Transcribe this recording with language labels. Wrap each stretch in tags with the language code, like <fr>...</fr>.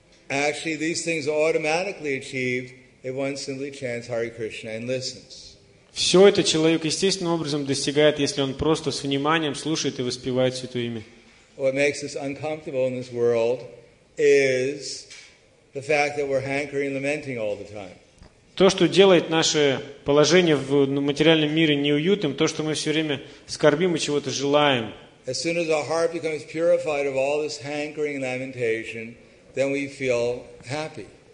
<en>Actually, these things are automatically achieved if one simply chants Hare Krishna and listens.</en> <ru>Все это человек естественным образом достигает, если он просто с вниманием слушает и воспевает Святое Имя.</ru> <en>What makes us uncomfortable in this world is the fact that we're hankering and lamenting all the time.</en> <ru>То, что делает наше положение в материальном мире неуютным, то, что мы все время скорбим и чего-то желаем.</ru> <en>As soon as our heart becomes purified of all this hankering and lamentation, then we feel happy.</en>